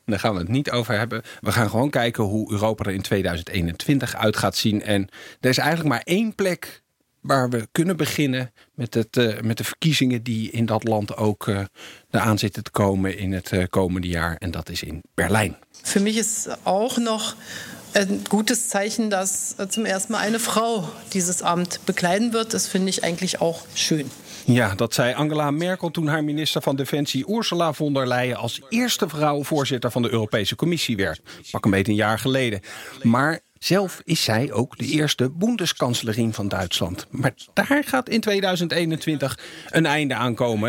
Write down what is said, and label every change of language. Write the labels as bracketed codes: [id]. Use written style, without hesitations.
[nl] Daar gaan we het niet over hebben. We gaan gewoon kijken hoe Europa er in 2021 uit gaat zien. En er is eigenlijk maar één plek waar we kunnen beginnen met de verkiezingen die in dat land ook eraan zitten te komen in het komende jaar. En dat is in Berlijn. Voor mij is ook nog [de] ein gutes Zeichen, dass zum ersten Mal eine Frau dieses Amt bekleiden wird. Das finde ich eigentlich auch schön. [nl] Ja, dat zei Angela Merkel toen haar minister van Defensie Ursula von der Leyen als eerste vrouw voorzitter van de Europese Commissie werd. Pak een beetje een jaar geleden. Maar zelf is zij ook de eerste bondeskanselierin van Duitsland. Maar daar gaat in 2021 een einde aan komen.